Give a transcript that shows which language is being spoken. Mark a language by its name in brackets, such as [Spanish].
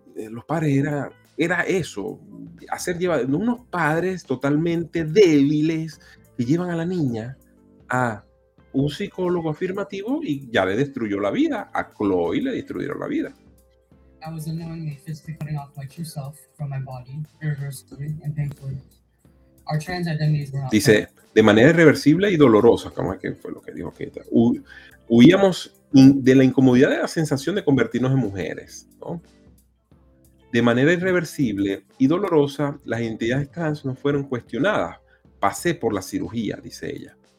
[Spanish] Los padres era eso, hacer llevar unos padres totalmente débiles que llevan a la niña a un psicólogo afirmativo y ya le destruyó la vida. A Chloe le destruyeron la vida. [English] I was unknowingly physically cutting off my true self from my body, irreversibly and painfully. Our trans identities were not. [Spanish] Dice, de manera irreversible y dolorosa, como es que fue lo que dijo Keita. Huíamos de la incomodidad de la sensación de convertirnos en mujeres, ¿no? De manera irreversible y dolorosa, las identidades trans no fueron cuestionadas. Pasé por la cirugía, dice ella.